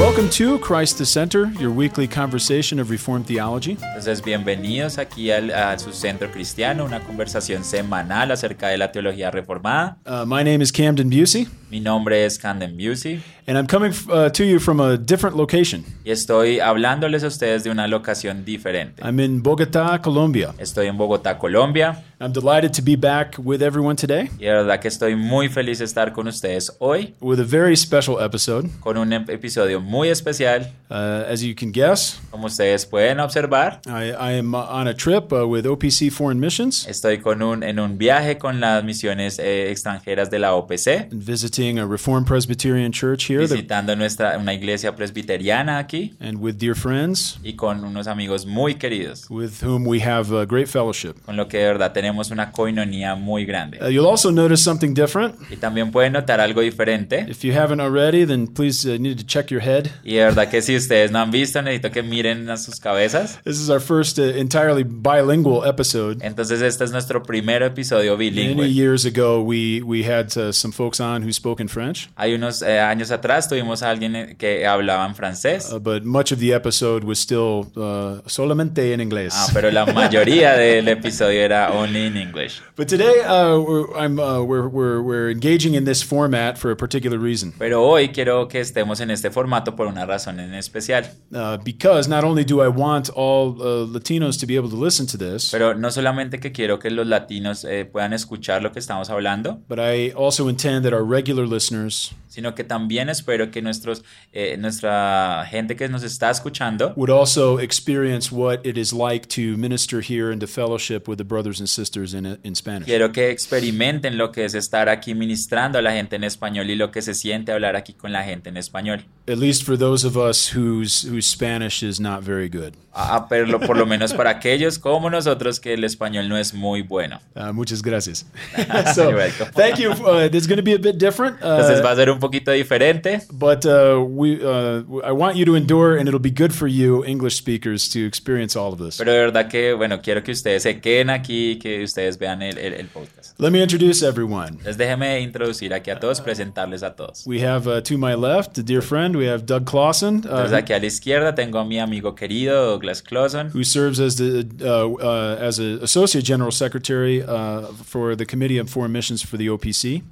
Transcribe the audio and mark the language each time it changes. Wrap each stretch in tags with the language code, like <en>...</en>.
<en>to Christ the Center, your weekly conversation of Reformed theology.</en> <es>Entonces, bienvenidos aquí a su centro cristiano, una conversación semanal acerca de la teología reformada.</es> <en>My name is Camden Busey.</en> <es>Mi nombre es Camden Busey.</es> <en>And I'm coming to you from a different location.</en> <es>Y estoy hablándoles a ustedes de una locación diferente.</es> <en>I'm in Bogotá, Colombia.</en> <es>Estoy en Bogotá, Colombia.</es> <en>I'm delighted to be back with everyone today.</en> <es>Y la verdad que estoy muy feliz de estar con ustedes hoy.</es> <en>With a very special episode.</en> <es>Con un episodio muy especial.</es> <en>As you can guess.</en> <es>Como ustedes pueden observar.</es> <en>I am on a trip with OPC Foreign Missions.</en> <es>Estoy en un viaje con las misiones extranjeras de la OPC.</es> <en>And visiting a Reformed Presbyterian Church here.</en> <es>Visitando una iglesia presbiteriana aquí.</es> <en>And with dear friends.</en> <es>Y con unos amigos muy queridos.</es> <en>With whom we have a great fellowship.</en> <es>Con lo que de verdad tenemos una koinonía muy grande.</es> <en>You'll also notice something different.</en> <es>Y también pueden notar algo diferente.</es> <en>If you haven't already, then please need to check your head.</en> <es>Y de verdad que si ustedes no han visto, necesito que miren a sus cabezas.</es> <en>This is our first entirely bilingual episode.</en> <es>Entonces este es nuestro primer episodio bilingüe.</es> <en>Many years ago, we had some folks on who spoke in French.</en> <es>Hay unos años atrás tuvimos a alguien que hablaba en francés.</es> <en>But much of the episode was still</en> <es>solamente en inglés. Ah, pero la mayoría del episodio era</es> <en>only in English. But today we're engaging in this format for a particular reason.</en> <es>Pero hoy quiero que estemos en este formato por una razón en especial.</es> <en>Because not only do I want all Latinos to be able to listen to this.</en> <es>Pero no solamente que quiero que los latinos puedan escuchar lo que estamos hablando.</es> <en>But I also intend that our regular listeners.</en> <es>Sino que también espero que nuestra gente que nos está escuchando</es> <en>would also experience what it is like to minister here and to fellowship with the brothers and sisters in Spanish.</en> <es>Quiero que experimenten lo que es estar aquí ministrando a la gente en español y lo que se siente hablar aquí con la gente en español.</es> <en>At least for those of us whose Spanish is not very good.</en> <es>Pero por lo menos para aquellos como nosotros que el español no es muy bueno. Muchas gracias.</es> <en>So, thank you. This is going to be a bit different.</en> <es>Entonces va a ser un poquito diferente.</es> <en>But I want you to endure, and it'll be good for you, English speakers, to experience all of this.</en> <es>Pero de verdad que bueno, quiero que ustedes se queden aquí, que ustedes vean el podcast.</es> <en>Let me introduce everyone.</en> <es>Les déjeme introducir aquí a todos, presentarles a todos.</es> <en>We have to my left, a dear friend. We have Doug Clausen.</en> <es>Entonces aquí a la izquierda tengo a mi amigo querido. Douglas Clausen,</es> <en>who serves as the as an associate general secretary for the Committee on Foreign Missions for the OPC,</en>